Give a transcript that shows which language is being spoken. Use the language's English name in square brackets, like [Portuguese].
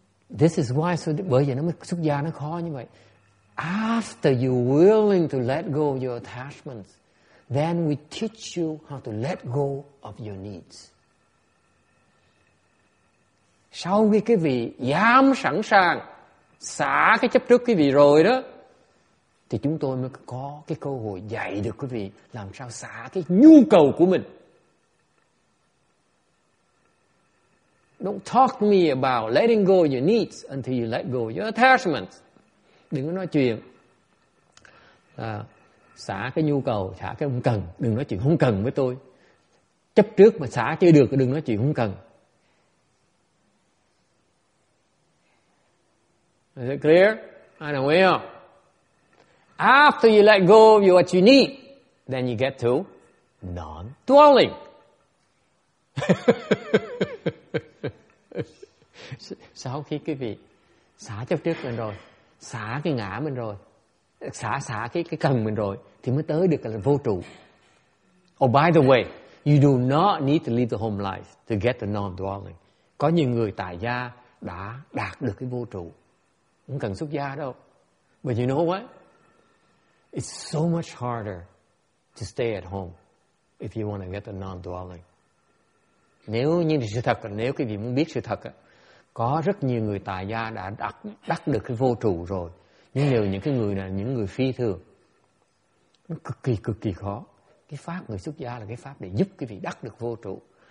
[English] This is why, so [Vietnamese] bởi vì nó mới xuất gia nó khó như vậy. [English] After you're willing to let go of your attachments, then we teach you how to let go of your needs. [Vietnamese] Sau khi quý vị dám sẵn sàng xả cái chấp trước quý vị rồi đó, thì chúng tôi mới có cái cơ hội dạy được quý vị làm sao xả cái nhu cầu của mình. [English] Don't talk to me about letting go your needs until you let go your attachments. [Vietnamese] Đừng có nói chuyện xả cái nhu cầu, xả cái không cần. Đừng nói chuyện không cần với tôi. Chấp trước mà xả chưa được, đừng nói chuyện không cần. [English] Is it clear? [Vietnamese] Ai đồng ý không? [English] After you let go of what you need, then you get to non-dwelling. [Vietnamese] Sau khi quý vị xả chấp trước mình rồi, xả cái ngã mình rồi, xả cái cần mình rồi, thì mới tới được là vô trụ. [English] Oh, by the way, you do not need to leave the home life to get the non-dwelling. [Vietnamese] Có nhiều người tại gia đã đạt được cái vô trụ, không cần xuất gia đâu. [English] But you know what? It's so much harder to stay at home if you want to get the non-dwelling. [Vietnamese] Nếu như sự thật, nếu quý vị muốn biết sự thật, có rất nhiều người tại gia đã đắc được cái vô trụ rồi. Nhưng nếu những cái người này, những người phi thường, nó cực kỳ khó. Cái pháp người xuất gia là cái pháp để giúp quý vị đắc được vô trụ.